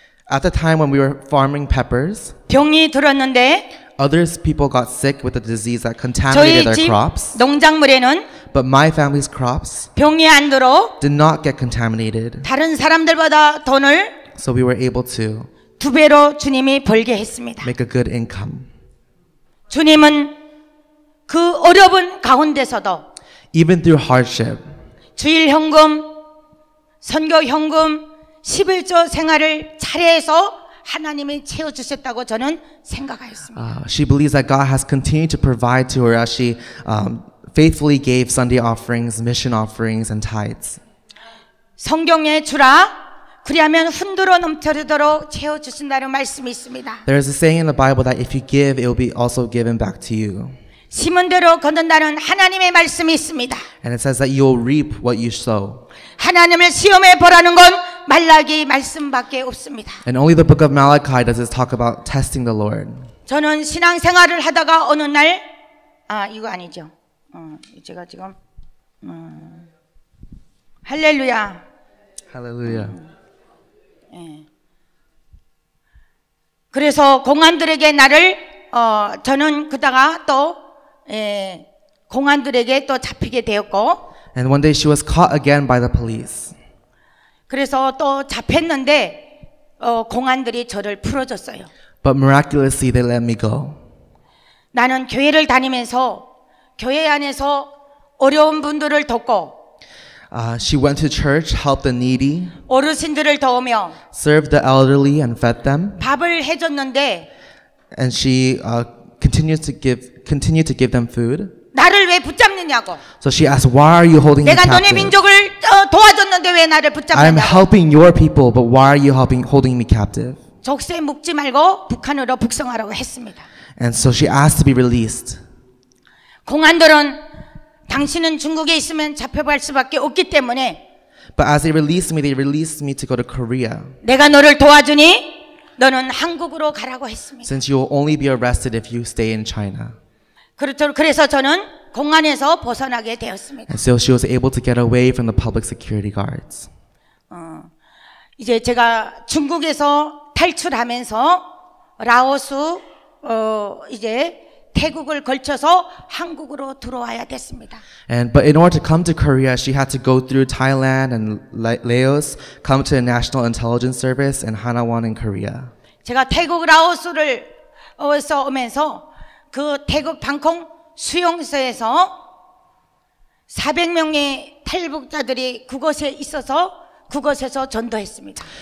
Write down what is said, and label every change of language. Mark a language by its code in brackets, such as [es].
[en] At the time when we were farming peppers, [ko] 병이 들었는데, [en] other people got sick with a disease that contaminated their crops. [ko] 농작물에는, [en] but my family's crops [ko] 병이 안 들어, [en] did not get contaminated. [ko] 다른 사람들보다 돈을, [en] so we were able to [ko] 두 배로 주님이 벌게 했습니다. [en] Make a good income. [ko] 주님은 그 어려운 가운데서도 [en] even through hardship [ko] 주일 현금 선교 현금 십일조 생활을 잘해서 하나님이 채워 주셨다고 저는 생각하였습니다. [en] She believes that God has continued to provide to her as she faithfully gave Sunday offerings, mission offerings and tithes. [ko] 성경에 주라 그리하면 흔들어 넘쳐지도록 채워 주신다는 말씀이 있습니다. [en] There is a saying in the Bible that if you give it will be also given back to you. [ko] 심은 대로 거둔다는 하나님의 말씀이 있습니다. [en] And it says that you'll reap what you sow. [ko] 하나님을 시험해 보라는 건 말라기 말씀밖에 없습니다. [en] And only the book of Malachi does it talk about testing the Lord. [ko] 저는 신앙생활을 하다가 어느 날 아, 이거 아니죠. 제가 지금 할렐루야. 할렐루야. 예. 그래서 공안들에게 나를 저는 그다가 또 예, 공안들에게 또 잡히게 되었고 [en] And one day she was caught again by the police. [ko] 그래서 또 잡혔는데 공안들이 저를 풀어줬어요. [en] But miraculously they let me go. [ko] 나는 교회를 다니면서 교회 안에서 어려운 분들을 돕고 [en] she went to church, helped the needy. [ko] 어르신들을 도우며 [en] served the elderly and fed them. [ko] 밥을 해 줬는데 [en] and she continued to give them food. [ko] 나를 왜 붙잡느냐고. [en] So she asked, why are you holding me captive? [ko] 내가 너네 민족을 도와줬는데 왜 나를 붙잡느냐고. [en] I'm helping your people, but why are you holding me captive? [ko] 족쇄 묶지 말고 북한으로 북송하라고 했습니다. [en] And so she asked to be released. [ko] 공안들은 당신은 중국에 있으면 잡혀갈 수밖에 없기 때문에 [en] But as they released me to go to Korea. [ko] 내가 너를 도와주니 너는 한국으로 가라고 했습니다. [en] Since you will only be arrested if you stay in China. [ko] 그렇죠. 그래서 저는 공안에서 벗어나게 되었습니다. [en] And so she was able to get away from the public security guards. [ko] 이제 제가 중국에서 탈출하면서 라오스 이제 태국을 걸쳐서 한국으로 들어와야 됐습니다. [en] And but in order to come to Korea, she had to go through Thailand and Laos, come to the National Intelligence Service and Hanawon in Korea. [ko] 제가 태국 라오스를 어서 오면서 그 태국 방콕 수용소에서 400명의 탈북자들이 그곳에 있어서 그곳에서 전도했습니다.